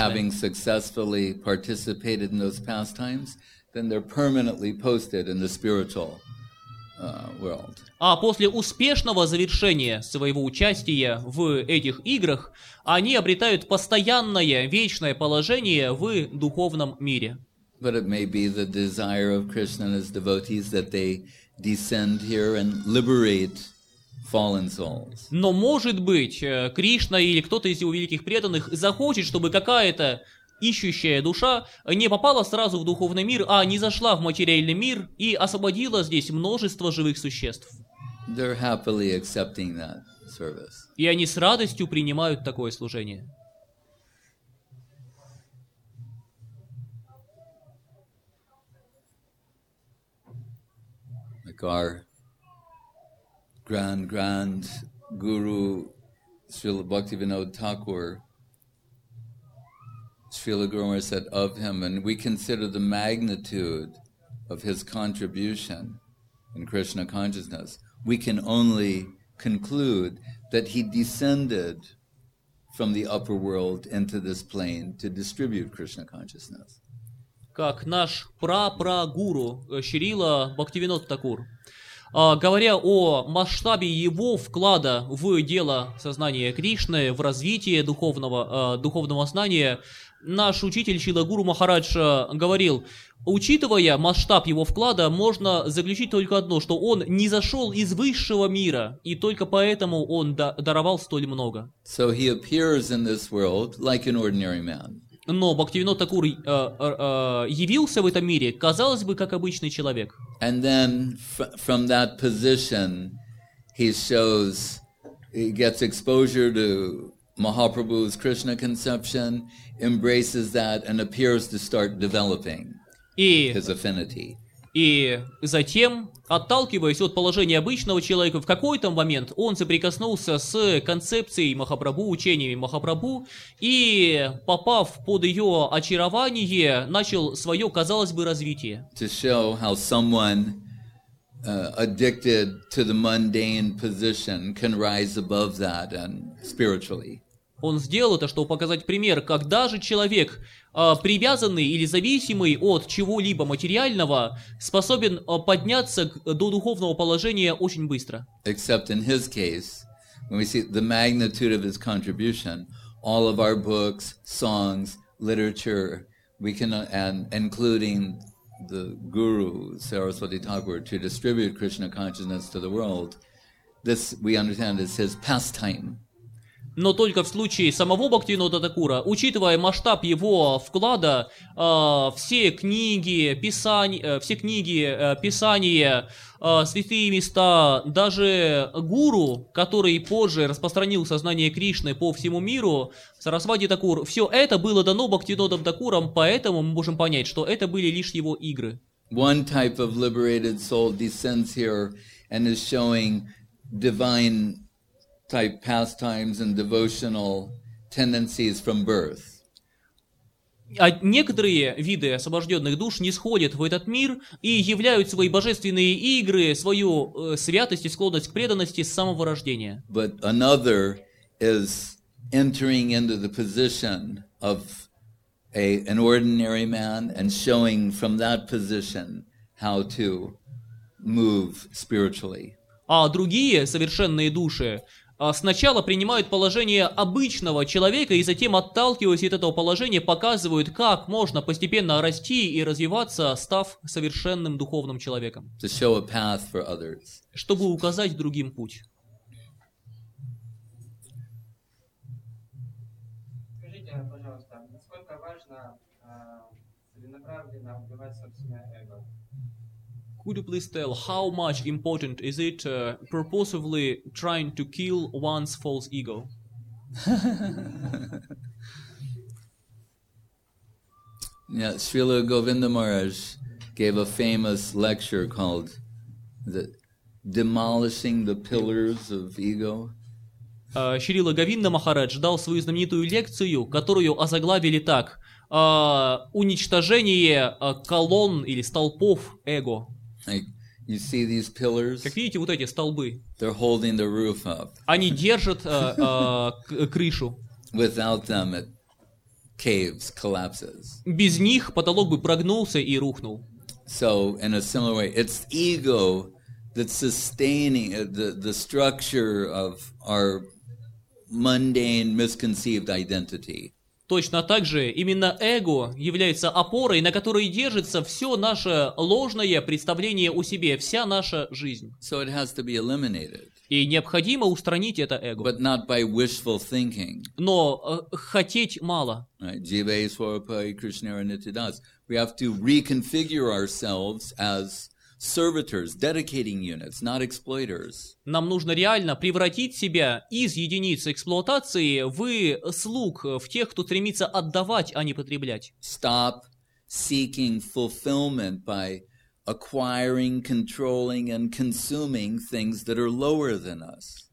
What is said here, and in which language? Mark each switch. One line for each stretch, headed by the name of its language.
English: And having successfully participated in those pastimes, then they're permanently posted in the spiritual world.
Russian: А после успешного завершения своего участия в этих играх, они обретают постоянное, вечное положение в духовном мире.
English: But it may be the desire of Krishna and his devotees that they descend here and liberate fallen souls.
Russian: Но может быть, Кришна или кто-то из его великих преданных захочет, чтобы какая-то ищущая душа не попала сразу в духовный мир, а не зашла в материальный мир и освободила здесь множество живых существ.
English: They're happily accepting that service.
Russian: И они с радостью принимают такое служение.
English: Our grand guru, Srila Bhaktivinoda Thakur, Srila Guru Maharaj said of him, and we consider the magnitude of his contribution in Krishna consciousness, we can only conclude that he descended from the upper world into this plane to distribute Krishna consciousness.
Russian: Как наш прапрагуру Шрила Бхактивинода Такур, говоря о масштабе его вклада в дело сознания Кришны, в развитие духовного знания, наш учитель Шрила Гуру Махарадж говорил, учитывая масштаб его вклада, можно заключить только одно, что он не зашел из высшего мира, и только поэтому он даровал столь много.
English: So he appears in this world like an ordinary man.
Russian: Но Бхактивинода Такур явился в этом мире, казалось бы, как обычный человек.
English: And then from that position he shows, he gets exposure to Mahaprabhu's Krishna conception, embraces that and appears to start developing his affinity.
Russian: И затем, отталкиваясь от положения обычного человека, в какой-то момент он соприкоснулся с концепцией Махапрабху, учениями Махапрабху, и, попав под ее очарование, начал свое, казалось бы, развитие.
English: To show how someone addicted to the mundane position can rise above that and spiritually.
Russian: Он сделал это, чтобы показать пример, как даже человек, привязанный или зависимый от чего-либо материального, способен подняться до духовного положения очень быстро.
English: Except in his case, when we see the magnitude of his contribution, all of our books, songs, literature, we can, and including the guru, Saraswati Thakur, to distribute Krishna consciousness to the world, this, we understand, is his pastime.
Russian: Но только в случае самого Бхактивинода Такура, учитывая масштаб его вклада, все книги, писания, святые места, даже гуру, который позже распространил сознание Кришны по всему миру, Сарасвати Такур, все это было дано Бхактивинодом Такуром, поэтому мы можем понять, что это были лишь его игры.
English: One type of liberated soul descends here and is showing divine type pastimes and devotional tendencies from birth.
Russian: А некоторые виды освобожденных душ нисходят в этот мир и являют свои божественные игры, свою святость и склонность к преданности с самого рождения.
English: But another is entering into the position of an ordinary man and showing from that position how to move spiritually.
Russian: А другие совершенные души сначала принимают положение обычного человека и затем, отталкиваясь от этого положения, показывают, как можно постепенно расти и развиваться, став совершенным духовным человеком.
English: To show a path for others.
Russian: Чтобы указать другим путь. Скажите, пожалуйста, насколько важно целенаправленно убивать собственное эго?
English: Could you please tell how much important is it purposefully trying to kill one's false ego? Yeah, Srila Govinda Maharaj gave a famous lecture called "The Demolishing the Pillars of Ego."
Russian: Srila Govinda Maharaj дал свою знаменитую лекцию, которую озаглавили так: уничтожение колонн или столпов эго.
English: Like, You see these pillars?
Russian: Как видите, вот эти столбы.
English: They're holding the roof up.
Russian: Они держат крышу.
English: Without them, it caves, collapses.
Russian: Без них потолок бы прогнулся и рухнул.
English: So, in a similar way, it's ego that's sustaining the structure of our mundane, misconceived identity.
Russian: Точно так же именно эго является опорой, на которой держится все наше ложное представление о себе, вся наша жизнь.
English: So it has to be eliminated.
Russian: И необходимо устранить это эго.
English: But not by wishful thinking.
Russian: Но хотеть мало.
Bangla: Jivai Swarupai Krishnara Nityadas.
English: We have to reconfigure ourselves as servitors, dedicating units, not exploiters.
Russian: Нам нужно реально превратить себя из единиц эксплуатации в слуг, в тех, кто стремится отдавать, а не потреблять.
English: Stop seeking fulfillment by acquiring, controlling, and consuming things that are lower than us.